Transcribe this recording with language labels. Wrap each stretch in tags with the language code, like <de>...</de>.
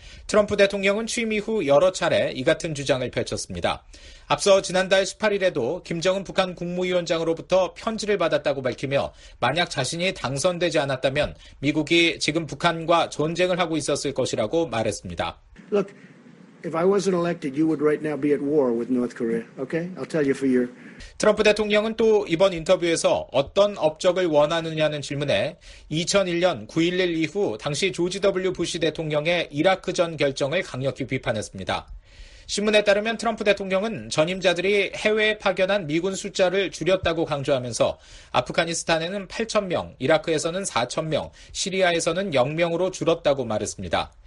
<ko>트럼프 대통령은 취임 이후 여러 차례 이 같은 주장을 펼쳤습니다. 앞서 지난달 18일에도 김정은 북한 국무위원장으로부터 편지를 받았다고 밝히며 만약 자신이 당선되지 않았다면 미국이 지금 북한과 전쟁을 하고 있었을 것이라고 말했습니다.</ko> <en>Look, if I wasn't elected, you would right now be at war with North Korea. Okay? I'll tell you for your</en> <ko>트럼프 대통령은 또 이번 인터뷰에서 어떤 업적을 원하느냐는 질문에 2001년 9.11 이후 당시 조지 W. 부시 대통령의 이라크전 결정을 강력히 비판했습니다. 신문에 따르면 트럼프 대통령은 전임자들이 해외에 파견한 미군 숫자를 줄였다고 강조하면서 아프가니스탄에는 8천 명, 이라크에서는 4천 명, 시리아에서는 0명으로 줄었다고 말했습니다.</ko>